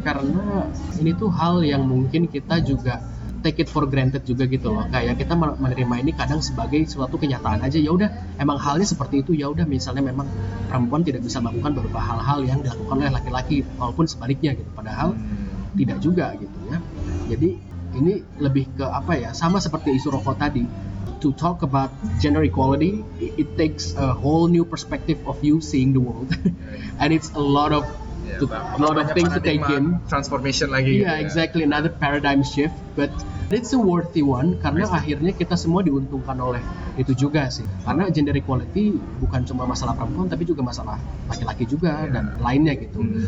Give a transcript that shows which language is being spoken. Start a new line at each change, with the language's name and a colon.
Indonesian: Karena ini tuh hal yang mungkin kita juga
English: take it for granted
Indonesian: juga gitu loh. Kayak kita menerima ini kadang sebagai suatu kenyataan aja. Ya udah, emang halnya seperti itu. Ya udah, misalnya memang perempuan tidak bisa melakukan beberapa hal-hal yang dilakukan oleh laki-laki, walaupun sebaliknya gitu. Padahal tidak juga gitu ya. Jadi ini lebih ke apa ya? Sama seperti isu rokok tadi.
English: To talk about gender equality, it takes a whole new perspective of you seeing the world. And it's a lot of things to take in. Transformation lagi. Yeah, exactly. Another paradigm shift. But it's a worthy one.
Indonesian: Karena akhirnya kita semua diuntungkan oleh itu juga sih. Karena gender equality bukan cuma masalah perempuan, tapi juga masalah laki-laki juga, yeah, dan lainnya gitu.